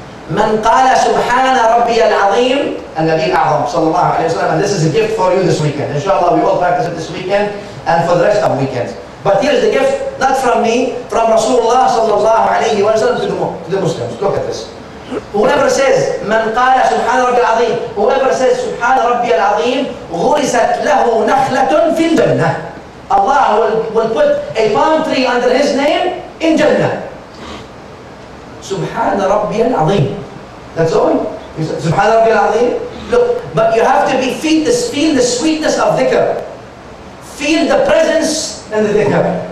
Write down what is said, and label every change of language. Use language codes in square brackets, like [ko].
[ar] من قال سبحان ربي العظيم الذي أعظم صلى الله عليه وسلم. [en] And this is a gift for you this weekend. Inshallah, we all practice it this weekend and for the rest of weekends. But here's the gift, not from me, from Rasulullah صلى الله عليه وسلم to the Muslims. Look at this. Whoever says [ar] من قال سبحان ربي العظيم, [en] whoever says [ar] سبحان ربي العظيم, غرست له نخلة في الجنة. [en] Allah will put a palm tree under his name in Jannah. Subhan Rabbi al-Azim. That's all. Subhan Rabbi al-Azim. Look, but you have to feel the sweetness of dhikr. Feel the presence in the dhikr.